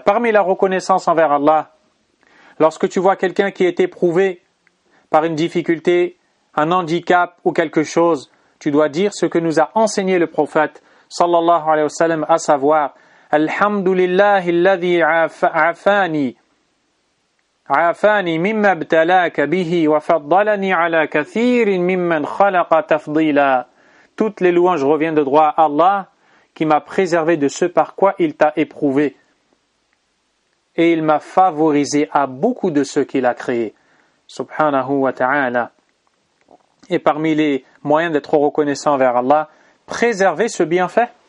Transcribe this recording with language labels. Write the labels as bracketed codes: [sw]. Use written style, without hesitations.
[fr] Parmi la reconnaissance envers Allah, lorsque tu vois quelqu'un qui est éprouvé par une difficulté, un handicap ou quelque chose, tu dois dire ce que nous a enseigné le prophète, sallallahu alayhi wa sallam, à savoir, [ar] Alhamdulillah alladhi afani. عافاني مما ابتلاك به وفضلني على كثير ممن خلق تفضيلا. [fr] Toutes les louanges reviennent de droit à Allah qui m'a préservé de ce par quoi il t'a éprouvé. Et il m'a favorisé à beaucoup de ceux qu'il a créés. Subhanahu wa ta'ala. Et parmi les moyens d'être reconnaissant vers Allah, préserver ce bienfait.